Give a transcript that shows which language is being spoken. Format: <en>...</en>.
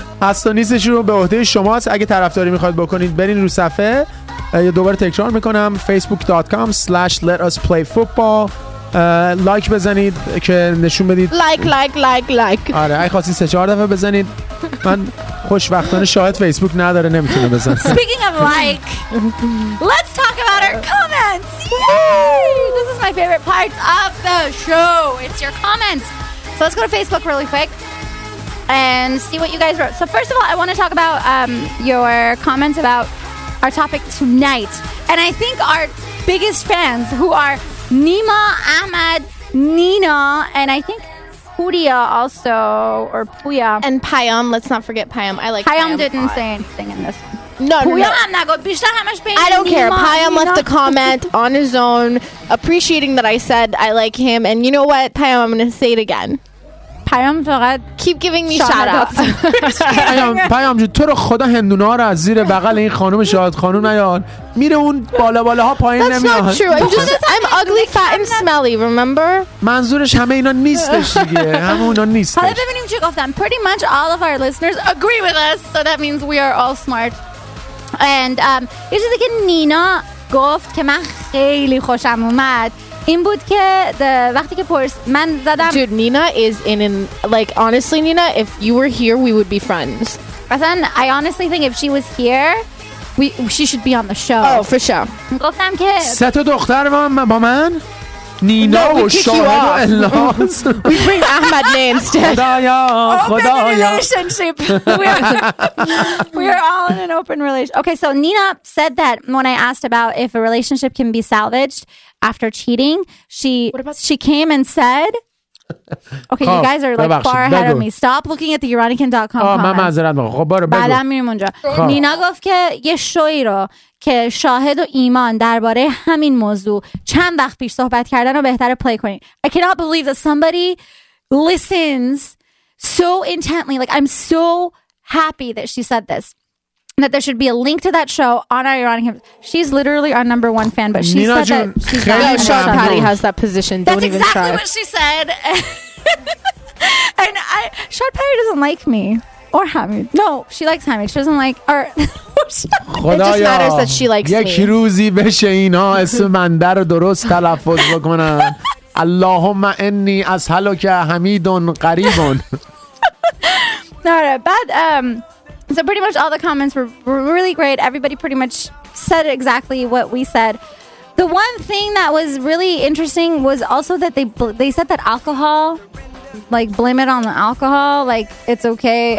<fa>هست نیستش رو به عهده شماست. اگه طرفداری میخواد بکنید برین رو صفحه. دوباره تکرار میکنم facebook.com/letusplayfootball. لایک بزنید که نشون بدید لایک. آره اگه خواستید 3-4 دفعه بزنید. من خوشبختانه شاید فیسبوک نداره نمیتونه بزنه.</fa> <en>Speaking of like, let's talk about our comments. Yay! This is my favorite part of the show. It's your comments. So let's go to Facebook really quick and see what you guys wrote. So first of all, I want to talk about your comments about our topic tonight. And I think our biggest fans who are Nima, Ahmed, Nina, and I think Puya also, or Puya. And Payam, let's not forget Payam. I like Payam. Payam didn't say anything in this one. No. I don't care. Payam left a comment on his own, appreciating that I said I like him. And you know what, Payam, I'm going to say it again. Payam, keep giving me shout-outs.</en> <fa>Payam, تو رو خدا هندونه ها رو از زیر بغل این خانم شاهد خانم نیان. میره اون بالا بالا ها پایین نمیان.</fa> <en>That's not true. I'm ugly, fat and smelly, remember?</en> <fa>منظورش همه اینا نیستش دیگه. همه اونا نیستش. حالا ببینیم چی گفتم.</fa> <en>Pretty much all of our listeners agree with us. So that means we are all smart.</en> <fa>And یه چیزی که نینا گفت که من خیلی خوشم اومد این بود که وقتی که پرس من زدم.</fa> <en>Dude, Nina is in like, honestly Nina, if you were here we would be friends. Then I honestly think if she was here she should be on the show. Oh, for sure.</en> <fa>گفتم که سه تا دختر با من نینا و شاهد و الناز.</fa> <en>We bring Ahmed names to</en> <fa>خدایا خدایا.</fa> <en>Open relationship. We are all in an open relationship. Okay, so Nina said that when I asked about if a relationship can be salvaged after cheating, she came and said. Okay, you guys are like far ahead of me. Stop looking at the Euronican.com.</en> <fa>آه من معذرت میخوام. خب برو بگو. بعدم میریم اونجا. نینا گفت که یه شوی رو که شاهد و ایمان درباره همین موضوع چند وقت پیش صحبت کردن رو بهتره پلی کنید.</fa> <en>I cannot believe that somebody listens so intently. Like, I'm so happy that she said this. That there should be a link to that show on our Iranian. She's literally our number one fan, but she Nina said Jun, that she's not. Sean Patty has that position. That's don't exactly even try. What she said. And I, Sean Patty doesn't like me or Hamid. No, she likes Hamid. She doesn't like or.</en> <fa>خدایا</fa> <en>it just matters that she likes me.</en> <fa>یک روزی بشه اینا اسم بنده رو درست تلفظ بکنن. اللهم انی اسهلک حمید قریب. نه بعد</fa> <en>so pretty much all the comments were really great. Everybody pretty much said exactly what we said. The one thing that was really interesting was also that they said that alcohol, like blame it on the alcohol, like it's okay.</en>